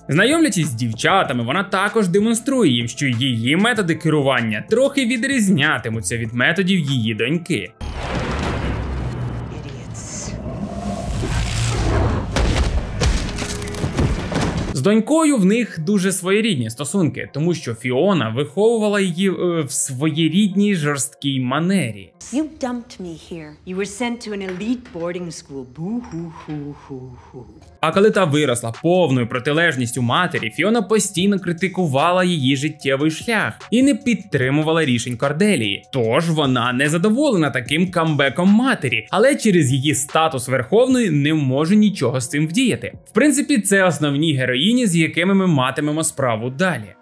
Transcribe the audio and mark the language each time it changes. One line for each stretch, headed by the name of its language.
Ukrainian: Знайомлячись з дівчатами, вона також демонструє їм, що її методи керування трохи відрізнятимуться від методів її доньки. З донькою в них дуже своєрідні стосунки, тому що Фіона виховувала її в своєрідній жорсткій манері.
English: You dumped me here. You were sent to an elite boarding school. Boo-hoo-hoo-hoo-hoo.
Ukrainian: А коли та виросла повною протилежністю матері, Фіона постійно критикувала її життєвий шлях і не підтримувала рішень Корделії. Тож вона не задоволена таким камбеком матері, але через її статус верховної не може нічого з цим вдіяти. В принципі, це основні герої, з якими ми матимемо справу далі.